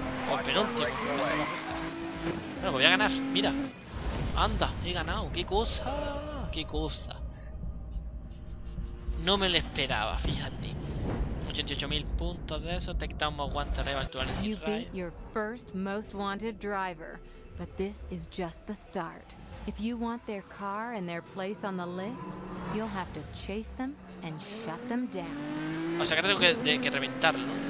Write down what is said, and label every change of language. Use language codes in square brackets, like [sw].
[es] O el penúltimo. Bueno, pues voy a ganar, mira. Anda, he ganado. ¿Qué cosa? ¿Qué cosa? No me lo esperaba, fíjate. 88.000 puntos de eso. Te quitamos guantes arriba al tuyo. [en] You beat your first most wanted driver. But this is just the start. If you want their car and their place on the list, you'll have to chase them and shut them down. [es] O sea que tengo que, que reventarlo.